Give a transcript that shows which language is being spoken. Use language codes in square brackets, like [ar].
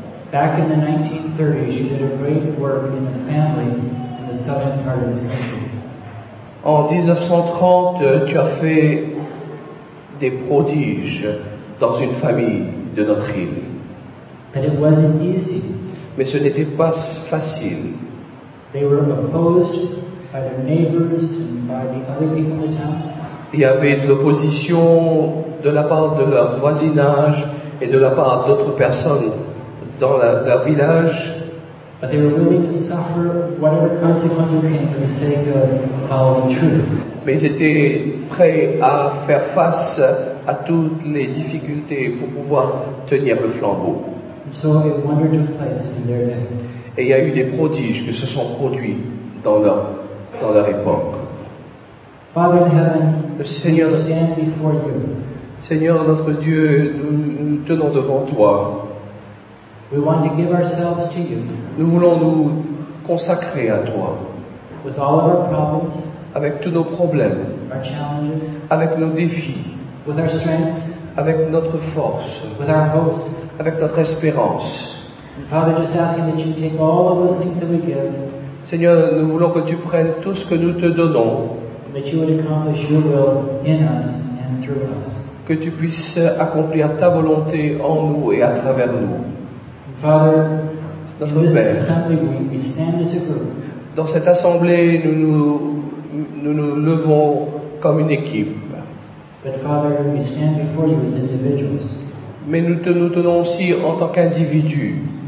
[en] back in the 1930s, you did a great work in the family in the southern part of this country. [fr] En 1930, tu as fait des prodiges dans une famille de notre île. [en] But it wasn't easy. [fr] Mais ce n'était pas facile. [en] They were opposed by their neighbors and by the other people in the town. [fr] Il y avait de l'opposition de la part de leur voisinage et de la part d'autres personnes dans leur village. [en] But they were willing to suffer whatever consequences came for the sake of following truth. [fr] Mais ils étaient prêts à faire face à toutes les difficultés pour pouvoir tenir le flambeau. [en] So it wandered to a place in their day. [fr] Et il y a eu des prodiges qui se sont produits dans leur époque. [en] Father in heaven, Seigneur, we stand before you. [fr] Seigneur notre Dieu, nous tenons devant toi. [en] We want to give ourselves to you. [fr] Nous voulons nous consacrer à toi. [en] With all of our problems, [fr] avec tous nos problèmes, [en] our challenges, [fr] avec nos défis, [en] with our strengths, [fr] avec notre force, [en] with our hopes, [fr] avec notre espérance. [en] Father, just asking that you take all of those things that we give. [fr] Seigneur, nous voulons que tu prennes tout ce que nous te donnons. [en] That you would accomplish your will in us and through us. [fr] Que tu puisses accomplir ta volonté en nous et à travers nous. [en] Father, [fr] notre [en] in [fr] Père, [en] this assembly we stand as a group. [fr] Dans cette assemblée, nous nous levons comme une équipe. [en] But Father, we stand before you as individuals. [fr] Mais nous tenons aussi en tant qu'individus.